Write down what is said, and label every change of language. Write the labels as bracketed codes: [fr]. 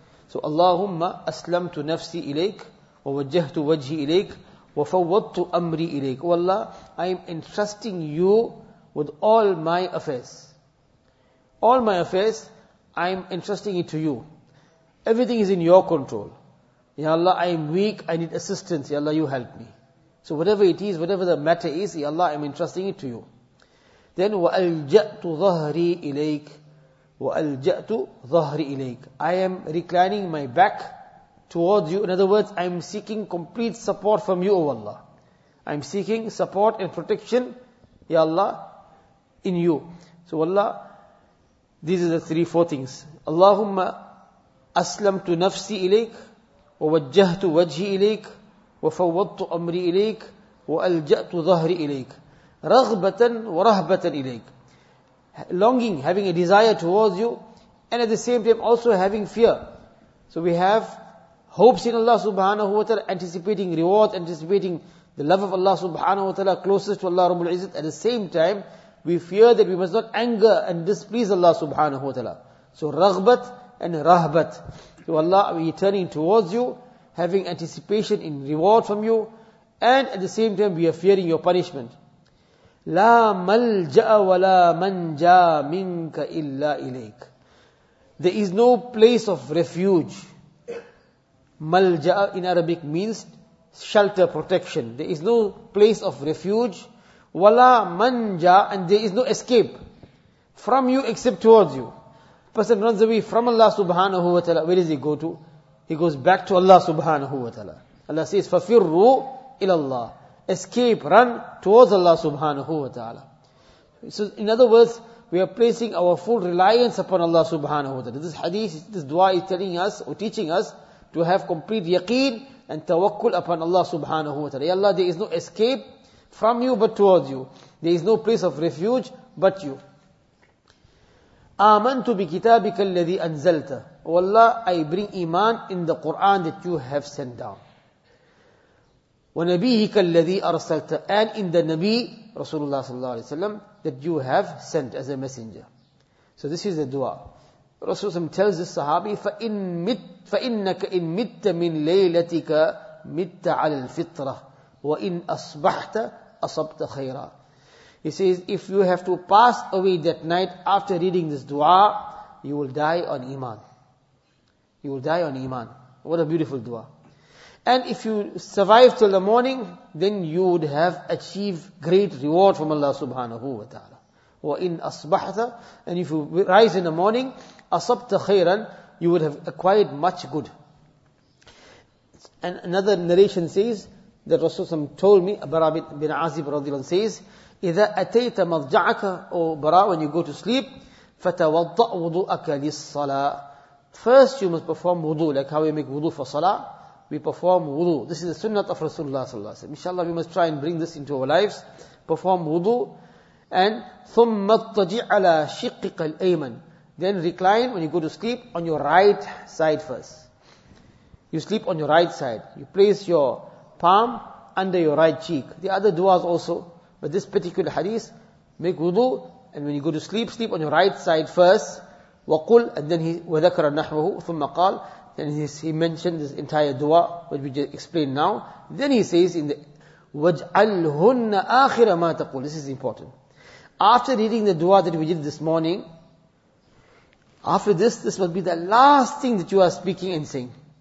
[ar] So Allahumma aslamtu nafsi ilayk وَوَجَّهْتُ وَجْهِ إِلَيْك وَفَوَّضْتُ أَمْرِي إِلَيْك. [en] Oh Allah, I am entrusting you with all my affairs. All my affairs, I am entrusting it to you. Everything is in your control. Ya Allah, I am weak, I need assistance. Ya Allah, you help me. So whatever it is, whatever the matter is, Ya Allah, I am entrusting it to you. [ar] Then وَأَلْجَأْتُ ظَهْرِي إِلَيْكَ وَأَلْجَأْتُ ظَهْرِي إِلَيْكَ. [en] I am reclining my back towards you. In other words, I am seeking complete support from you, O Allah. I am seeking support and protection, Ya Allah, in you. So Allah, these are the three, four things. [ar] اللهم أسلمت نفسي إليك ووجهت وجهي إليك وفوضت أمري إليك وألجأت ظهري إليك رَغْبَةً وَرَهْبَةً إِلَيْكَ. [en] Longing, having a desire towards you, and at the same time also having fear. So we have hopes in Allah subhanahu wa ta'ala, anticipating reward, anticipating the love of Allah subhanahu wa ta'ala, closest to Allah Rabbul Izzat. At the same time, we fear that we must not anger and displease Allah subhanahu wa ta'ala. So, raghbat and rahbat. So Allah, we are turning towards you, having anticipation in reward from you, and at the same time, we are fearing your punishment. [ar] لا ملجأ ولا منجا منك إلا إليك. [en] There is no place of refuge. Malja'a in Arabic means shelter, protection. There is no place of refuge. [ar] Wala manja, [en] and there is no escape from you except towards you. Person runs away from Allah subhanahu wa ta'ala. Where does he go to? He goes back to Allah subhanahu wa ta'ala. Allah says, [ar] Fafirru ilallah. [en] Escape, run towards Allah subhanahu wa ta'ala. So in other words, we are placing our full reliance upon Allah subhanahu wa ta'ala. This hadith, this dua is telling us or teaching us to have complete yaqeen and tawakkul upon Allah subhanahu wa ta'ala. Ya Allah, there is no escape from you but towards you. There is no place of refuge but you. [ar] Amantu bi kitabika alladhi anzalta. [en] Oh Allah, I bring iman in the Quran that you have sent down. [ar] Wa nabiyika alladhi arsalta. [en] And in the Nabi, Rasulullah sallallahu alayhi wa sallam, that you have sent as a messenger. So this is the dua. Rasulullah tells the Sahabi, [ar] فَإِنَّكَ إِن مِتَّ مِن لَيْلَتِكَ مِتَّ عَلَى الْفِطْرَةِ وَإِن أَصْبَحْتَ أَصَبْتَ خَيْرًا. [en] He says, if you have to pass away that night after reading this dua, you will die on iman. You will die on iman. What a beautiful dua. And if you survive till the morning, then you would have achieved great reward from Allah subhanahu wa ta'ala. [ar] وَإِن أَصْبَحْتَ. [en] And if you rise in the morning, [ar] أَصَبْتَ خَيْرًا, [en] you would have acquired much good. And another narration says that Rasulullah told me, Bara bin Azib radiallahu anhu says, [ar] إِذَا أَتَيْتَ مَضْجَعَكَ. [en] O Bara, when you go to sleep, [ar] فَتَوَضَّأْ وُضُؤَكَ لِلصَّلَاةِ. [en] First you must perform wudu, like how we make wudu for salah. We perform wudu. This is the sunnah of Rasulullah sallallahu alayhi wa sallam. Inshallah, we must try and bring this into our lives. Perform wudu. [ar] And ثُمَّ اتَّجِعْ عَلَى شِقِّقَ الْأَيْمَنِ. [en] Then recline when you go to sleep on your right side first. You sleep on your right side. You place your palm under your right cheek. The other du'as also. But this particular hadith, make wudu. And when you go to sleep, sleep on your right side first. [ar] وَقُلْ. [en] And then he [ar] وَذَكَرَ نَحْوَهُ ثُمَّ قَالْ. [en] Then he mentioned this entire dua, which we just explained now. Then he says in the [ar] وَاجْعَلْهُنَّ آخِرَ مَا تَقُولُ. [en] This is important. After reading the dua that we did this morning, after this must be the last thing that you are speaking and saying.